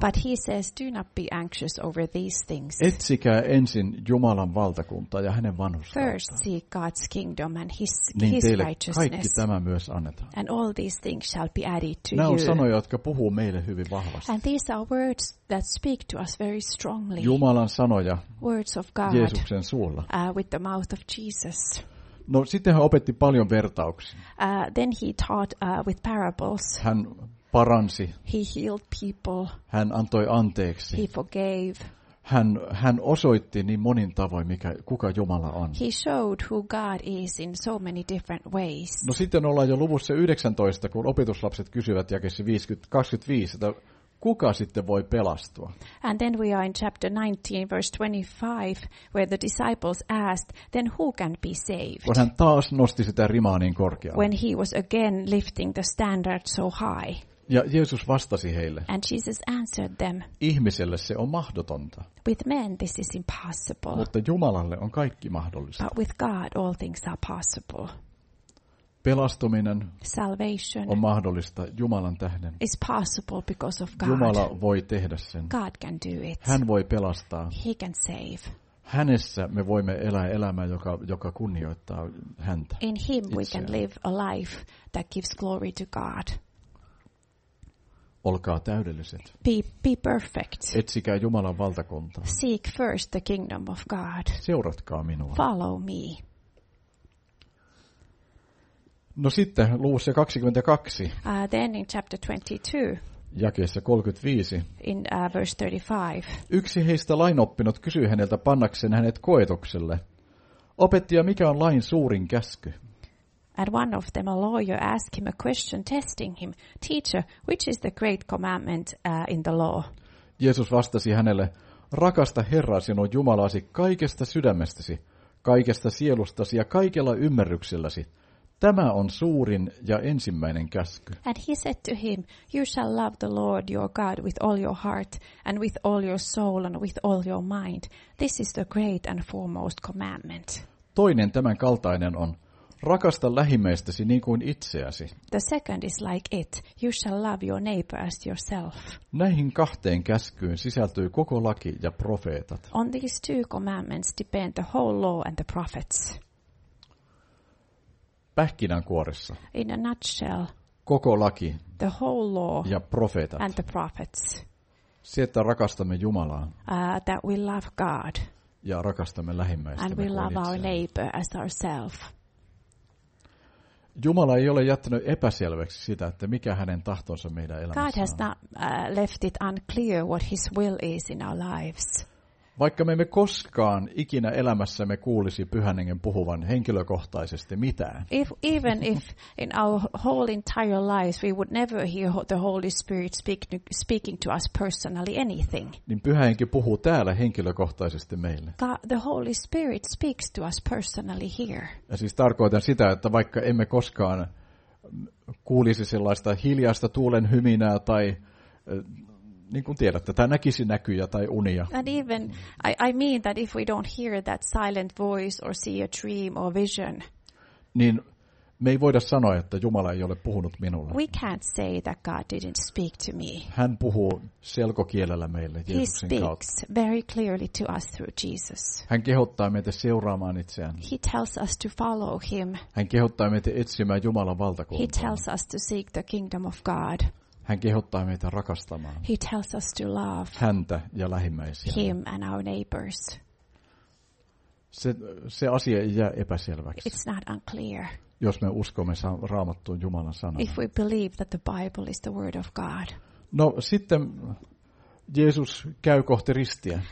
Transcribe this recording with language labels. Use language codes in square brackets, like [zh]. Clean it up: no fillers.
[en] But he says, do not be anxious over these things. [fi] Etsikää ensin Jumalan valtakuntaa ja hänen vanhurskauttaan. [en] First seek God's kingdom and his [fi] niin [en] righteousness. [fi] Kaikki tämä myös annetaan. [en] And all these things shall be added to you. [fi] Nämä on sanoja, jotka puhuu meille hyvin vahvasti. [en] And these are words that speak to us very strongly. [fi] Jumalan sanoja. [en] Words of God. [fi] Jeesuksen suulla. [en] With the mouth of Jesus. [fi] No sitten hän opetti paljon vertauksia. [en] Then he taught with parables. [fi] Hän paransi. [en] He healed people. [fi] Hän antoi anteeksi. [en] He forgave. [fi] Hän osoitti niin monin tavoin, kuka Jumala on. [en] He showed who God is in so many different ways. [fi] No sitten ollaan jo luvussa 19, kun opetuslapset kysyvät jakeessa 25, että kuka sitten voi pelastua? [en] And then we are in chapter 19, verse 25, where the disciples asked, then who can be saved? [fi] Kun hän taas nosti sitä rimaa niin korkealle. [en] When he was again lifting the standard so high. [fi] Ja Jeesus vastasi heille. [en] And Jesus answered them. [fi] Ihmiselle se on mahdotonta. [en] With men this is impossible. [fi] Mutta Jumalalle on kaikki mahdollista. [en] But with God all things are possible. [fi] Pelastuminen [en] salvation [fi] on mahdollista Jumalan tähden. [en] Is possible because of God. [fi] Jumala voi tehdä sen. [en] God can do it. [fi] Hän voi pelastaa. [en] He can save. [fi] Hänessä me voimme elää elämää, joka kunnioittaa häntä. [en] In him [fi] itseään. [en] We can live a life that gives glory to God. [fi] Olkaa täydelliset. [en] Be perfect. [fi] Etsikää Jumalan valtakuntaa. [en] Seek first the kingdom of God. [fi] Seuratkaa minua. [en] Follow me. [fi] No sitten luvussa 22. [en] Then in chapter 22. [fi] Jakeessa 35. [en] In verse 35. [fi] Yksi heistä lainoppinut kysyi häneltä pannakseen hänet koetukselle. Opettaja, mikä on lain suurin käsky? [en] And one of them, a lawyer, asked him a question, testing him. Teacher, which is the great commandment in the law? [fi] Jeesus vastasi hänelle, rakasta Herraa sinun Jumalasi kaikesta sydämestäsi, kaikesta sielustasi ja kaikella ymmärrykselläsi. Tämä on suurin ja ensimmäinen käsky. [en] And he said to him, you shall love the Lord your God with all your heart and with all your soul and with all your mind. This is the great and foremost commandment. [fi] Toinen tämän kaltainen on, rakasta lähimmäistäsi niin kuin itseäsi. [en] The second is like it. You shall love your neighbor as yourself. [fi] Näihin kahteen käskyyn sisältyy koko laki ja profeetat. [en] On these two commandments depend the whole law and the prophets. [fi] Pähkinänkuoressa. [en] In a nutshell. [fi] Koko laki. [en] The whole law. [fi] Ja profeetat. [en] And the prophets. [fi] Se, että rakastamme Jumalaa. [en] That we love God. [fi] Ja rakastamme lähimmäistä. [en] And we love our neighbor as ourselves. [fi] Jumala ei ole jättänyt epäselväksi sitä, että mikä hänen tahtonsa meidän elämässä on. [en] God has not left it unclear what his will is in our lives. [fi] Vaikka me emme koskaan ikinä elämässämme kuulisi Pyhän Hengen puhuvan henkilökohtaisesti mitään. [en] If, even if in our whole entire lives we would never hear the Holy Spirit speaking to us personally anything. [fi] Niin Pyhä Henki puhuu täällä henkilökohtaisesti meille. [en] The Holy Spirit speaks to us personally here. [fi] Ja siis tarkoitan sitä, että vaikka emme koskaan kuulisi sellaista hiljaista tuulen hyminää tai niin kuin tiedätte, tai näkisi näkyjä tai unia. [en] And even I mean that if we don't hear that silent voice or see a dream or vision. [fi] Niin me ei voida sanoa, että Jumala ei ole puhunut minulle. [en] We can't say that God didn't speak to me. [fi] Hän puhuu selkokielellä meille Jeesuksen kautta. [en] He speaks very clearly to us through Jesus. [fi] Hän kehottaa meitä seuraamaan itseään. [en] He tells us to follow him. [fi] Hän kehottaa meitä etsimään Jumalan valtakuntaa. [en] He tells us to seek the kingdom of God. [fi] Hän kehottaa meitä rakastamaan. [en] He tells us to love. [fi] Häntä ja lähimmäisiä. [en] Him and our neighbors. [fi] Se asia ei jää epäselväksi. [en] It's not unclear. [fi] Jos me uskomme Raamattuun Jumalan sanaan. [en] If we believe that the Bible is the word of God. [fi] No sitten Jeesus käy kohti ristiä.